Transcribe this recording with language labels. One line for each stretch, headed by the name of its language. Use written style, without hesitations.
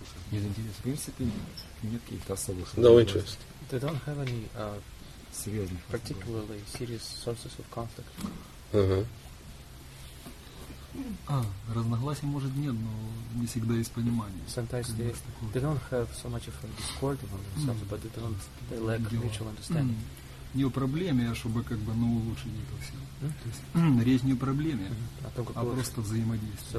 Russian: Нет интереса. В принципе, нет каких-то особых.
English: No interest. They don't have any
Russian: серьезных,
English: particularly serious sources of conflict.
Russian: А, разногласий может нет, но не всегда есть понимание.
English: Sometimes they don't have so much of a discord among themselves, but they lack mutual understanding.
Russian: Не о проблеме, а чтобы как бы на улучшение этого всего. Речь не о проблеме, а просто взаимодействие.